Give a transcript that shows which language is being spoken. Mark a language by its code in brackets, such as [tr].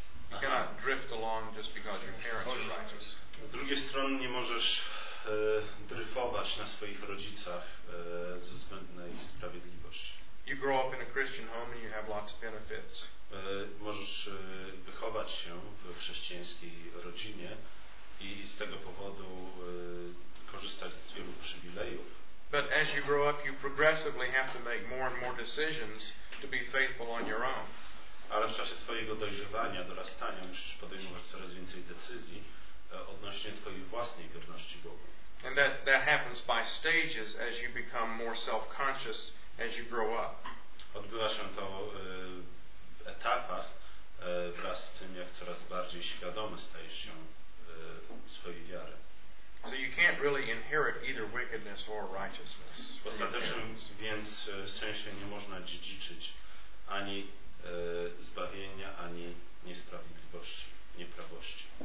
[en] You cannot drift along just because your parents are righteous. [pl] Z drugiej strony nie możesz dryfować na swoich rodzicach ze względu na ich sprawiedliwość. [en] You grow up in a Christian home and you have lots of benefits. [pl] Możesz wychować się w chrześcijańskiej rodzinie i z tego powodu korzystać z wielu przywilejów. [en] But as you grow up, you progressively have to make more and more decisions to be faithful on your own. [pl] Ale w czasie swojego dojrzewania, dorastania, musisz podejmować coraz więcej decyzji odnośnie twojej własnej wierności Bogu. [en] And that happens by stages as you become more self-conscious as you grow up. [pl] Odbywa się to w etapach wraz z tym, jak coraz bardziej świadomy stajesz się swojej wiary. [en] So you can't really inherit either wickedness or righteousness. [pl] Ostatecznym więc sensie nie można dziedziczyć ani zbawienia, ani niesprawiedliwości, nieprawości.